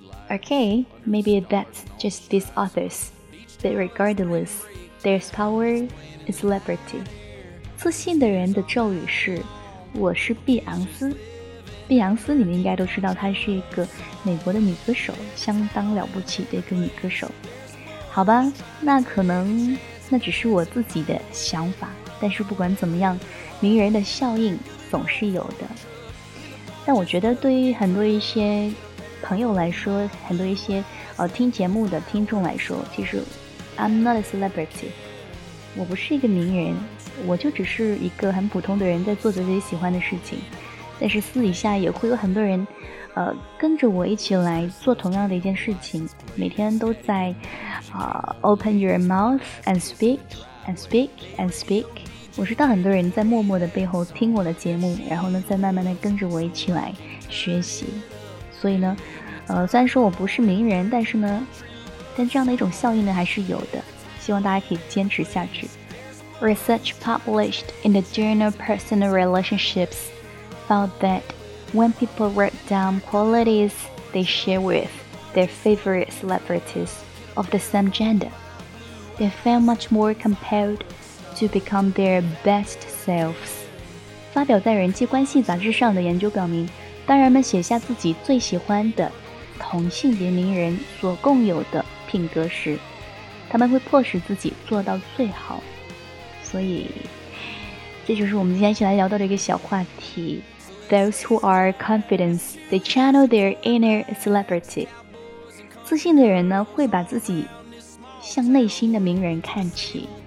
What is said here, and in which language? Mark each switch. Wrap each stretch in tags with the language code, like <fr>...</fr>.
<en>Okay, maybe that's just these authors, but regardless, there's power in celebrity。</en> <zh>自信的人的咒语是我是碧昂斯。碧昂斯你们应该都知道，她是一个美国的女歌手，相当了不起的一个女歌手。好吧，那可能那只是我自己的想法，但是不管怎么样，名人的效应总是有的。但我觉得对于很多一些朋友来说，很多一些听节目的听众来说，其实</zh> <en>I'm not a celebrity，</en> <zh>我不是一个名人，我就只是一个很普通的人在做着自己喜欢的事情。但是私底下也会有很多人跟着我一起来做同样的一件事情，每天都在</zh> <en>open your mouth and speak</en> <zh>and speak and speak。我知道很多人在默默的背后听我的节目，然后呢再慢慢的跟着我一起来学习。所以呢虽然说我不是名人，但是呢但这样的一种效应呢还是有的，希望大家可以坚持下去。</zh> <en>Research published in the journal Personal Relationships found that when people write down qualities they share with their favorite celebrities of the same gender, they feel much more compelled to become their best selves.</en> <zh>发表在《人际关系》杂志上的研究表明，当人们写下自己最喜欢的同性别名人所共有的品格时，他们会迫使自己做到最好。所以这就是我们今天一起来聊到的一个小话题。</zh> <en>Those who are confident, they channel their inner celebrity。</en> <zh>自信的人呢会把自己向内心的名人看齐。</zh>